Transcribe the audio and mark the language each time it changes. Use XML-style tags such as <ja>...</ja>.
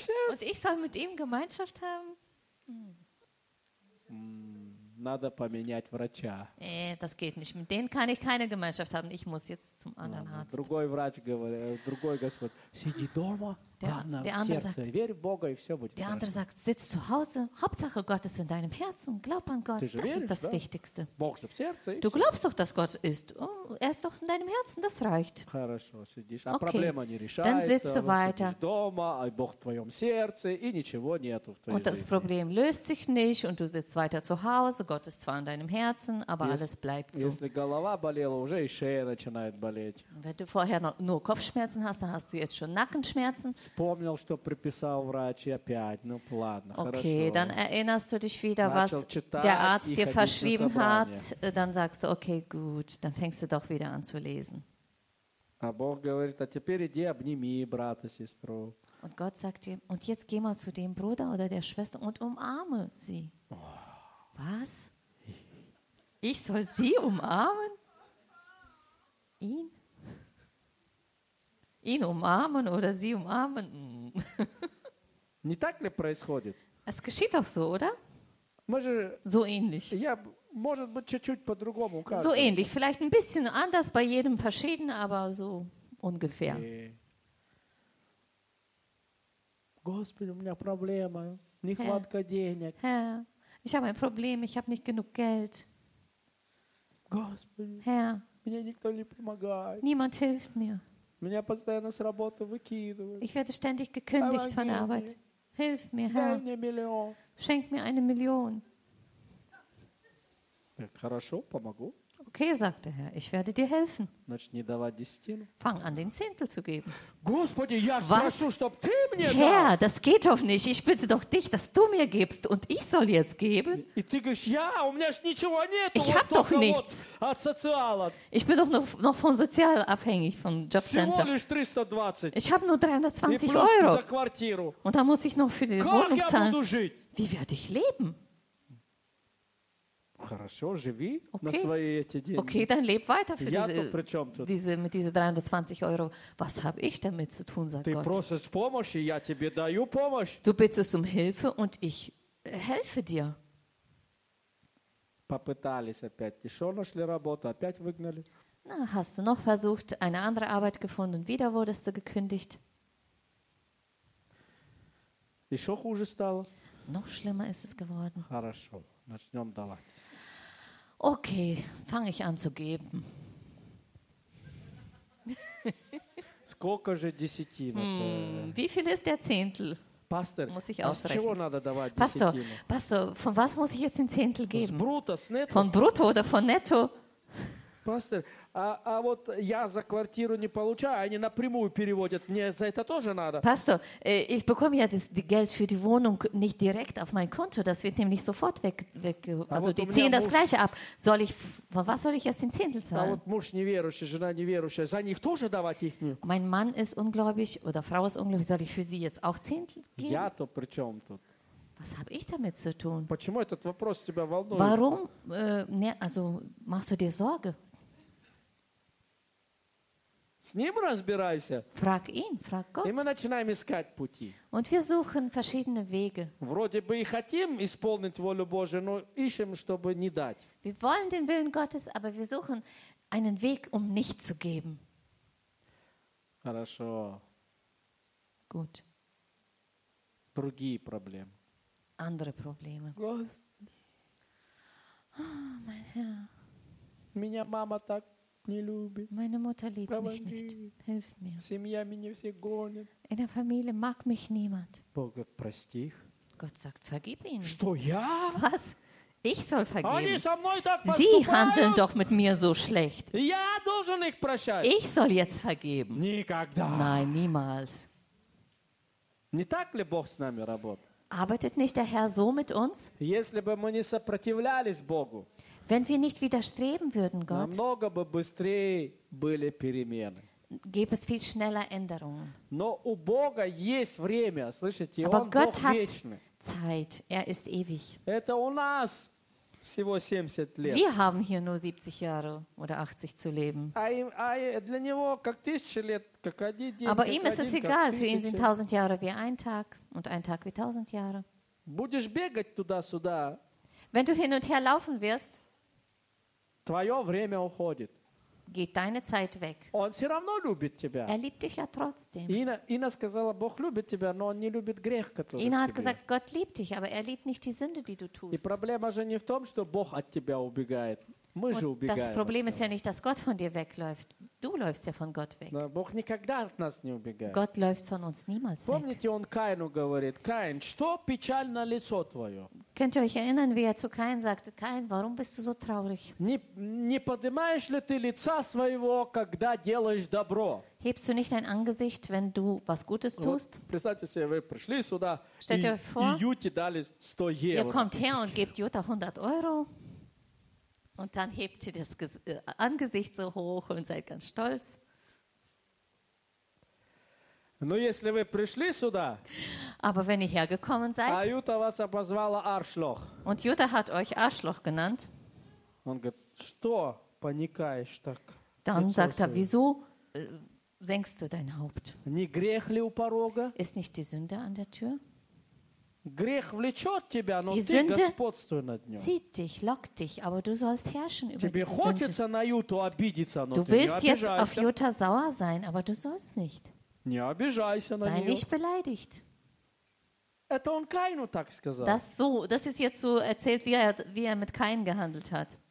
<de>Und ich soll mit ihm Gemeinschaft haben?</de> <ru>Надо поменять врача.</ru> <de>Das geht nicht. Mit denen kann ich keine Gemeinschaft haben. Ich muss jetzt zum anderen Arzt.</de> <ru>Другой врач говорит, другой Господь. Сиди дома. Верь в Бога и все будет.</ru> <de>Der andere sagt, sitz zu Hause. Hauptsache Gott ist in deinem Herzen. Glaub an Gott. Das ist das Wichtigste.</de> <ru>Бог же в сердце.</ru> <de>Du glaubst doch, dass Gott ist. Oh, er ist doch in deinem Herzen. Das reicht.</de> <ru>Хорошо, сидишь. А проблема не решается.</ru> <de>Dann sitzt du weiter.</de> <ru>Дома, а Бог в твоем сердце и ничего нету в твоей.</ru> <de>Und das Problem löst sich nicht und du sitzt weiter zu Hause. Gott ist zwar in deinem Herzen, aber alles bleibt so.</de> <ru>Если голова болела, уже и шея начинает болеть.</ru> <de>Wenn du vorher noch nur Kopfschmerzen hast, dann hast du jetzt schon Nackenschmerzen.</de> <ru>Вспомнил, что приписал врач, и опять, ладно, okay, хорошо.</ru> <de>Dann erinnerst du dich wieder, was der Arzt dir verschrieben hat. Dann sagst du, okay, gut, dann fängst du doch wieder an zu lesen.</de> <ru>А Бог говорит, а теперь иди обними брата, сестру.</ru> <de>Und Gott sagt dir, und jetzt geh mal zu dem Bruder oder der Schwester und umarme sie. Was? Ich soll sie umarmen? Ihn umarmen oder sie umarmen?</de> <ru>Не так ли происходит?</ru> <de>Es geschieht auch so, oder? So ähnlich.</de> <ru>Я, может быть, чуть-чуть по-другому.</ru> <de>So ähnlich, vielleicht ein bisschen anders, bei jedem verschieden, aber so ungefähr. Nee.</de> <ru>Господи, у меня проблема. Нехватка денег.</ru> <de>Ich habe ein Problem, ich habe nicht genug Geld.</de> <ru>Господи,</ru> <de>Herr,</de> <ru>мне никто не помогает.</ru> <de>Niemand hilft mir.</de> <ru>Меня постоянно с работы выкидывают.</ru> <de>Ich werde ständig gekündigt von Arbeit. Hilf mir, Herr.</de> <ru>Дай мне миллион.</ru> <de>Schenk mir eine Million.</de> <ru>Хорошо, помогу.</ru> <de>Okay, sagt der Herr, ich werde dir helfen.</de> <ru>Начни давать десятину.</ru> <de>Fang an, den Zehntel zu geben.</de> <ru>Господи, я прошу, чтоб ты мне дал.</ru> <de>Herr, das geht doch nicht. Ich bitte doch dich, dass du mir gibst und ich soll jetzt geben.</de> <ru>И ты говоришь, я, у меня ж ничего нету.</ru> <de>Ich habe doch nichts.</de> <ru>От социала.</ru> <de>Ich bin doch noch von Sozial abhängig, von Jobcenter.</de> <ru>Всего лишь 320.</ru> <de>Ich habe nur 320 Euro.</de> <ru>И плюс за квартиру.</ru> <de>Und da muss ich noch für die Wohnung zahlen.</de> <ru>Как я буду жить?</ru> <de>Wie werde ich leben?</de> <ru>Хорошо, живи okay. На свои эти деньги.</ru> <de>Okay, dann leb weiter für</de> <ru>я</ru> <de>diese mit diese 320 Euro. Was habe ich damit zu tun, sagt</de> <ru>ты</ru> <de>Gott?</de> <ru>Ты просишь помощи, я тебе даю помощь.</ru> <de>Du bittest um Hilfe und ich helfe dir.</de> <ru>попытались опять, еще нашли работу, опять выгнали.</ru> <de>Na, hast du noch versucht, eine andere Arbeit gefunden, wieder wurdest du gekündigt.</de> <ru>Еще хуже стало.</ru> <de>Noch schlimmer ist es geworden.</de> <ru>Хорошо, начнем давать.</ru> <de>Okay, fange ich an zu geben.</de> <ru>Сколько же десятина?</ru> <de>Wie viel ist der Zehntel? Pastor, muss ich ausrechnen.</de> <ru>Чего надо давать десятину?</ru> <de>Pastor, von was muss ich jetzt den Zehntel geben?</de> <ru>С брутто, с нетто?</ru> <de>Von brutto oder von netto?</de> <ru>Pastor, а вот я за квартиру не получаю, они напрямую переводят. Мне за это тоже надо.</ru> <de>Pastor, ich bekomme ja das Geld für die Wohnung nicht direkt auf mein Konto. Das wird nämlich sofort weg. Also die ziehen das gleiche ab. Soll ich, von was soll ich jetzt den Zehntel zahlen?</de> <ru>А вот муж неверующий, жена неверующая. За них тоже давать их не?</ru> <de>Mein Mann ist ungläubig oder Frau ist ungläubig. Soll ich für sie jetzt auch Zehntel geben?</de> <ru>Я-то при чем тут?</ru> <de>Was habe ich damit zu tun?</de> <ru>Почему этот вопрос тебя волнует?</ru> <de>Warum, also machst du dir Sorge?</de> <ru>С ним разбирайся.</ru> <de>Frag ihn, frag Gott.</de> <ru>И мы начинаем искать пути.</ru> <de>Und wir suchen verschiedene Wege.</de> <ru>Вроде бы и хотим исполнить волю Божию, но ищем, чтобы не дать.</ru> <de>Wir wollen den Willen Gottes, aber wir suchen einen Weg, um nicht zu geben.</de> <ru>Хорошо.</ru> <de>Gut.</de> <ru>Другие проблемы.</ru> <de>Andere Probleme.</de> <ru>Господи.</ru> <de>Oh, mein Herr.</de> <ru>Меня мама так не любит.</ru> <de>Meine Mutter liebt</de> <ru>Помоги.</ru> <de>Мich nicht. Hilf mir.</de> <ru>Семья меня все гонит.</ru> <de>In der Familie mag mich niemand.</de> <ru>Бог говорит, прости их.</ru> <de>Gott sagt, vergib ihnen.</de> <ru>Что я?</ru> <de>Was? Ich soll vergeben.</de> <ru>Они со мной так поступают.</ru> <de>Sie handeln doch mit mir so schlecht.</de> <ru>Я должен их прощать.</ru> <de>Ich soll jetzt vergeben.</de> <ru>Никогда.</ru> <de>Nein, niemals.</de> <ru>Не так ли Бог с нами работает?</ru> <de>Arbeitet nicht der Herr so mit uns?</de> <ru>Если бы мы не сопротивлялись Богу,</ru> <de>wenn wir nicht widerstreben würden Gott,</de> <ru>намного бы быстрее были перемены.</ru> <de>Gäbe es viel schneller Änderungen.</de> <ru>Но у Бога есть время, слышите,</ru> <de>Aber</de> <ru>Он</ru> <de>Gott</de> <ru>Бог вечный.</ru> <de>Hat Zeit, er ist ewig.</de> <ru>Это у нас всего 70 лет.</ru> <de>Wir haben hier nur 70 Jahre oder 80 zu leben.</de> <ru>А для него как тысяча лет, как один день.</ru> <de>Aber ihm ist es egal, für ihn sind 1000 Jahre wie ein Tag. Und ein Tag wie 1000 Jahre.</de> <ru>Будешь бегать туда-сюда.</ru> <de>Wenn du hin und her laufen wirst,</de> <ru>твое время уходит.</ru> <de>Geht deine Zeit weg.</de> <ru>Он все равно любит тебя.</ru> <de>Er liebt dich ja trotzdem.</de> <ru>Ина сказала, Бог любит тебя, но он не любит грех, который.</ru> <de>Ина hat gesagt, Gott liebt dich, aber er liebt nicht die Sünde, die du tust.</de> <ru>И проблема же не в том, что Бог от тебя убегает. Мы же убегаем.</ru> <de>Das Problem ist ja nicht, dass Gott von dir wegläuft. Du läufst ja von Gott weg.</de> <ru>Бог никогда от нас не убегает.</ru> <de>Gott läuft von uns niemals weg.</de> <ru>Помните, он Каину говорит, Каин, что печаль на лицо твое?</ru> <de>Könnt ihr euch erinnern, wie er zu Каин sagt, Каин, warum bist du so traurig?</de> <ru>Не поднимаешь ли ты лица своего, когда делаешь добро?</ru> <de>Hebst du nicht dein Angesicht, wenn du was Gutes тust?</de> <ru>Вот, представьте себе, вы пришли сюда,</ru> <de>Stellt</de> <ru>и,</ru> <de>euch vor,</de> <ru>и Юте дали 100 евро.</ru> <de>Ihr kommt her und gebt Jutta 100 Euro. Und dann hebt ihr das Angesicht so hoch und seid ganz stolz.</de> <ru>Ну, если вы пришли сюда,</ru> <de>Aber wenn ihr hergekommen seid,</de> <ru>а Юта вас обозвала</ru> <de>Arschloch. Und Jutta hat euch Arschloch genannt.</de> <ru>Он говорит, что паникаешь так?</ru> <de>Dann sagt er, wieso senkst du dein Haupt?</de> <ru>Не грех ли у порога?</ru> <de>Ist nicht die Sünde an der Tür?</de> <ru>Грех влечет тебя, но ты господствуй над ним.</ru> <de>Zieht dich, lockt dich, aber du sollst herrschen über</de> <ru>Тебе хочется</ru> <de>Sünde.</de> <ru>На Юту обидеться, но</ru> <de>du</de> <ru>ты не обижайся.</ru> <de>Du willst jetzt auf Jutta sauer sein, aber du sollst nicht.</de> <ru>Не обижайся на</ru> <de>Sei</de> <ru>нее.</ru> <de>Sei nicht beleidigt.</de> <ru>Это он Каину так сказал.</ru> <de>Das so, das ist jetzt so erzählt, wie er mit Каин gehandelt hat.</de>